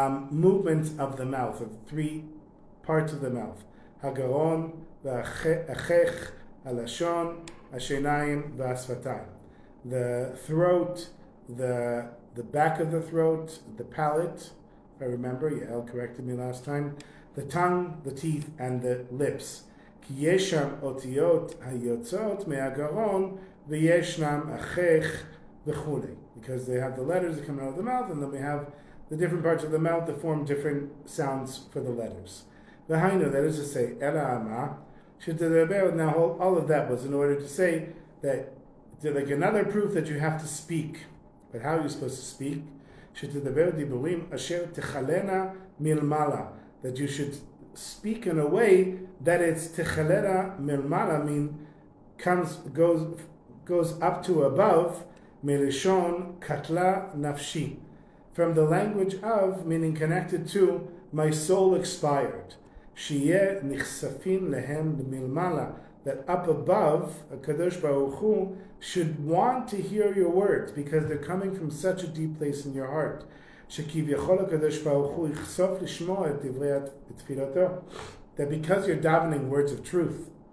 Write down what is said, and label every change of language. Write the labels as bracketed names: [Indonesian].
[English] movements of the mouth, of three parts of the mouth, [Hebrew] הגרון והחך, הלשון, השיניים והשפתיים, [English] the throat, the back of the throat, the palate, if I remember, Yael corrected me last time, the tongue, the teeth, and the lips. [Hebrew] כי יש שם אותיות היוצאות מהגרון, וישנם אחך וכולי. [English] Because they have the letters that come out of the mouth, and then we have the different parts of the mouth that form different sounds for the letters. [Hebrew] והיינו, [English] that is to say, [Hebrew] אלא אמה, שתדבר, [English] now all of that was in order to say that, like another proof that you have to speak. But how are you supposed to speak? [Hebrew] שתדבר דיבורים אשר תחלנה מלמעלה. [English] That you should speak in a way that it's [Hebrew] techelera milmala, [English] mean comes, goes up to above, [Hebrew] melishon katla nafshi, [English] from the language of, meaning connected to, my soul expired, [Hebrew] shiye nichsafin lehem milmala, [English] that up above a kadosh baruch hu should want to hear your words, because they're coming from such a deep place in your heart, [Hebrew] שכביכול הקדוש ברוך הוא יחשוף לשמוע את דברי תפילתו, [English] that because you're davening words of truth